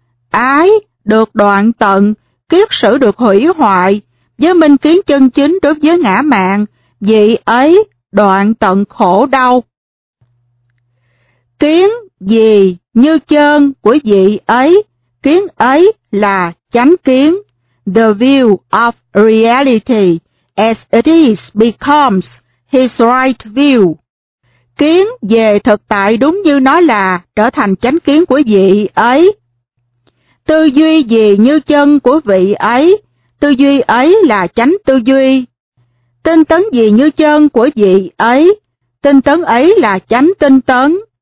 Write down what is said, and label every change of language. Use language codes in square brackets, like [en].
[vi] ái được đoạn tận, kiết sử được hủy hoại, với minh kiến chân chính đối với ngã mạn, vị ấy đoạn tận khổ đau. Kiến gì như chơn của vị ấy, kiến ấy là chánh kiến. [en] The view of reality as it is becomes his right view. [vi] Kiến về thực tại đúng như nó là trở thành chánh kiến của vị ấy. Tư duy gì như chân của vị ấy, tư duy ấy là chánh tư duy. Tinh tấn gì như chân của vị ấy, tinh tấn ấy là chánh tinh tấn.